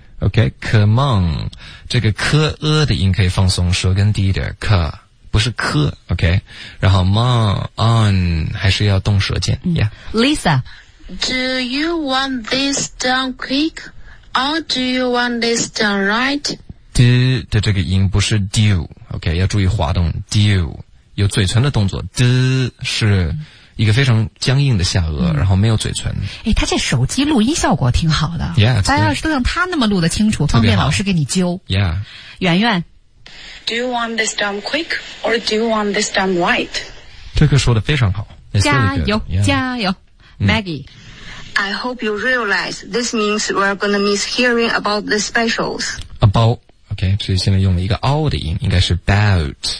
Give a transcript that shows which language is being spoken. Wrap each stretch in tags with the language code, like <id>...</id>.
<en>OK, come on,</en> <zh>这个科呃的音可以放松，舌根低一点，科不是科 ，OK。然后 mon on 还是要动舌尖。嗯、</zh> <en>yeah, Lisa。 Do you want this done quick, or do you want this done right?</en> <zh>D 的这个音不是 do, OK, 要注意滑动 do, 有嘴唇的动作 ,D 是一个非常僵硬的下颚、嗯、然后没有嘴唇。诶他这手机录音效果挺好的。</zh> <en>Yeah,</en> <zh>大家要是都像他那么录得清楚方便老师给你揪。</zh> <en>Yeah.</en> <zh>圆圆</zh> <en>Do you want this done quick, or do you want this done right?</en> <zh>这个说得非常好。加油、</zh> <en>yeah.</en> <zh>加油。Maggie,、 mm.</zh> <en>I hope you realize this means we're going to miss hearing about the specials. About, okay,</en> <zh>所以现在用了一个 all 的音，应该是 about.</zh>